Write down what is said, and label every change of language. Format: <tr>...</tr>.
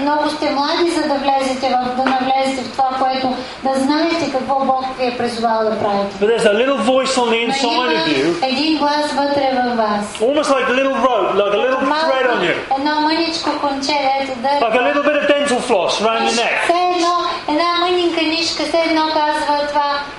<bg>Много сте млади, за да влезете в това, което да знаете какво Бог ви е призвал да правите.</bg> <en>But there's a little voice on the inside of you.</en> <bg>Един глас вътре в вас.</bg> <en>Almost like a little rope, like a little thread on you.</en> <bg>Едно мъничко конче, да.</bg> <en>Like a little bit of dental floss around your neck.</en> <bg>Все едно, една мъничка нишка, все едно казва това.</bg>